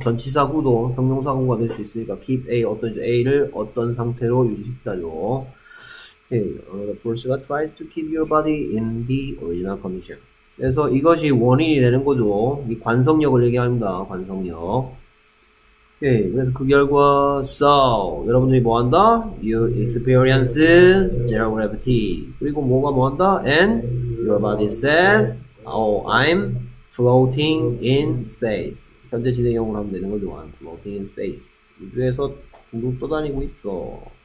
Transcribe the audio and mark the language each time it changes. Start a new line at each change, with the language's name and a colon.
Korean: 전치사구도 형용사구가 될 수 있으니까, keep A, 어떤이죠. A를 어떤 상태로 유지시키다죠.
English: Okay. The force가 tries to keep your body in the original condition.
Korean: 그래서 이것이 원인이 되는 거죠. 이 관성력을 얘기합니다. 관성력.
English: Okay.
Korean: 그래서 그 결과, so, 여러분들이 뭐 한다?
English: You experience zero gravity.
Korean: 그리고 뭐가 뭐 한다?
English: And your body says, oh, I'm floating in space.
Korean: 현재 진행형으로 하면 되는 거죠.
English: I'm floating in space.
Korean: 우주에서 둥둥 떠다니고 있어.